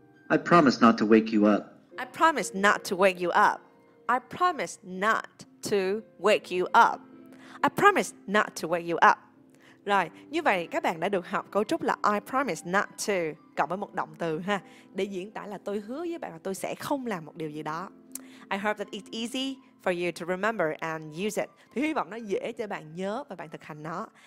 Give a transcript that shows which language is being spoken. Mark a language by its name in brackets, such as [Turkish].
[English] I promise not to wake you up. I promise not to wake you up. I promise not to wake you up. I promise not to wake you up. [Vietnamese] Rồi, như vậy các bạn đã được học cấu trúc là [English] I promise not to [Vietnamese] cộng với một động từ ha, để diễn tả là tôi hứa với bạn là tôi sẽ không làm một điều gì đó. [English] I hope that it's easy for you to remember and use it. [Vietnamese] Thì hy vọng nó dễ cho bạn nhớ và bạn thực hành nó.